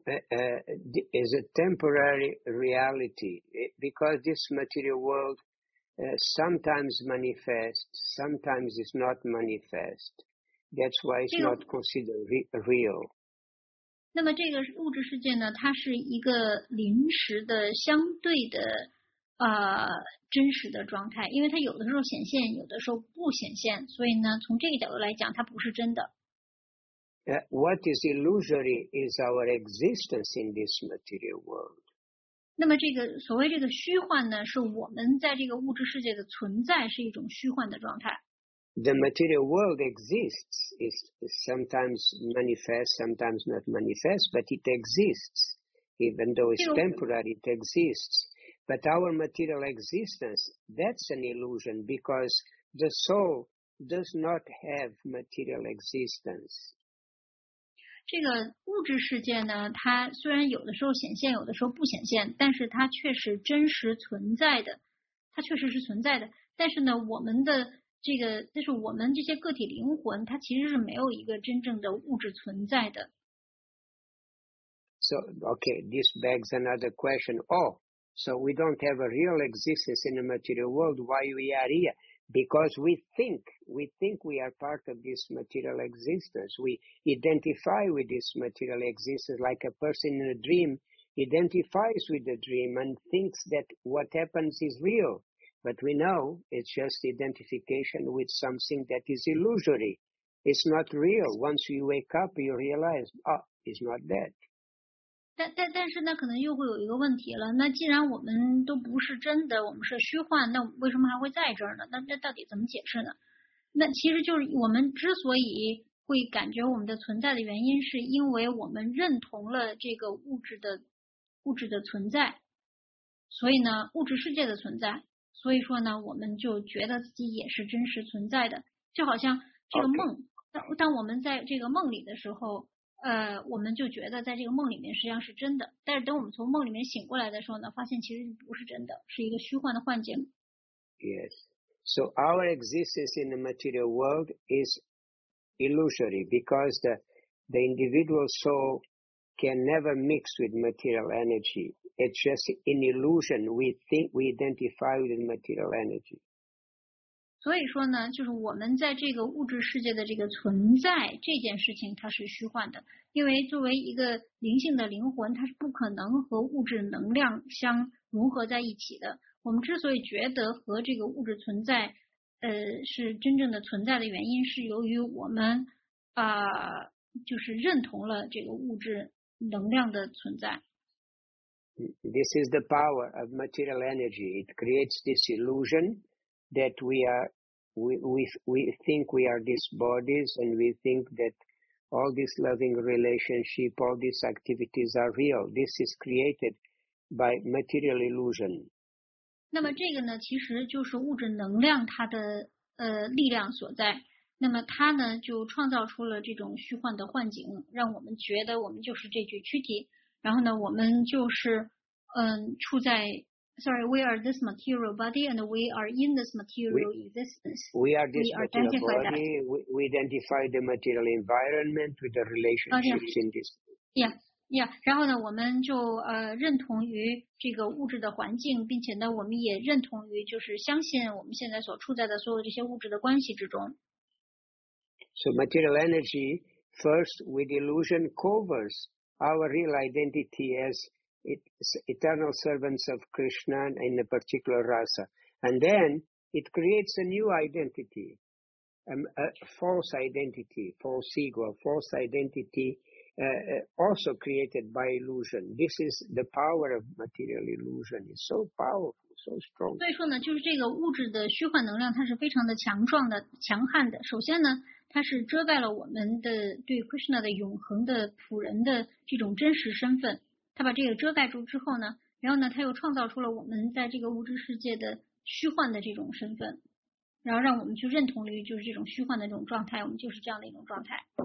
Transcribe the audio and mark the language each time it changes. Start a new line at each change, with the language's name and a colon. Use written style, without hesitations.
English: It's a temporary reality because this material world sometimes manifests, sometimes it's not manifest. That's why it's not considered real.
Chinese: 那么这个物质世界呢它是一个临时的相对的真实的状态，因为它有的时候显现，有的时候不显现，所以呢，从这个角度来讲，它不是真的。
English: What is illusory is our existence in this material world.
Chinese: 那么这个所谓这个虚幻呢，是我们在这个物质世界的存在是一种虚幻的状态。
English: The material world exists. It's sometimes manifest, sometimes not manifest, but it exists. Even though it's temporary, it exists. But our material existence, that's an illusion because the soul does not have material existence.
Chinese: 这个物质世界呢，它虽然有的时候显现，有的时候不显现，但是它确实真实存在的，它确实是存在的。但是呢，我们的这个，但是我们这些个体灵魂，它其实是没有一个真正的物质存在的。
English: So, okay, this begs another question. Oh. So we don't have a real existence in the material world. Why we are here? Because we think we are part of this material existence. We identify with this material existence like a person in a dream identifies with the dream and thinks that what happens is real. But we know it's just identification with something that is illusory. It's not real. Once you wake up, you realize, oh, it's not that.
Chinese: 但是那可能又会有一个问题了。那既然我们都不是真的，我们是虚幻，那为什么还会在这儿呢？那到底怎么解释呢？那其实就是我们之所以会感觉我们的存在的原因，是因为我们认同了这个物质的存在，所以呢，物质世界的存在，所以说呢，我们就觉得自己也是真实存在的，就好像这个梦。当我们在这个梦里的时候，我们就觉得在这个梦里面实际上是真的，但是等我们从梦里面醒过来的时候呢，发现其实不是真的，是一个虚幻的幻境。
English: Yes, so our existence in the material world is illusory because the individual soul can never mix with material energy. It's just an illusion. We think we identify with material energy.
Chinese: 所以说呢，就是我们在这个物质世界的这个存在这件事情，它是虚幻的。因为作为一个灵性的灵魂，它是不可能和物质能量相融合在一起的。我们之所以觉得和这个物质存在，是真正的存在的原因，是由于我们就是认同了这个物质能量的存在。
English: This is the power of material energy. It creates this illusion. That we think we are these bodies, and we think that all this loving relationship, all these activities are real. This is created by material illusion.
Chinese: 那么这个呢，其实就是物质能量它的力量所在。那么它呢，就创造出了这种虚幻的幻境，让我们觉得我们就是这具躯体。然后呢，我们就是处在。
English: Sorry, we are this material body, and we are in this material existence. We are this material body. We identify the material environment with the relationships in this. Yeah.
Chinese: 然后呢，我们就认同于这个物质的环境，并且呢，我们也认同于就是相信我们现在所处在的所有这些物质的关系之中。
English: So material energy, first with illusion, covers our real identity as. It's eternal servants of Krishna in a particular rasa. And then it creates a new identity, a false identity, false ego, false identity, also created by illusion. This is the power of material illusion. It's so powerful, so strong.
Chinese: 所以说呢，就是这个物质的虚幻能量，它是非常的强壮的、强悍的。首先呢，它是遮盖了我们的对 Krishna 的永恒的普人的这种真实身份。他把这个遮盖住之后呢，然后呢，他又创造出了我们在这个物质世界的虚幻的这种身份，然后让我们去认同于就是这种虚幻的这种状态，我们就是这样的一种状态。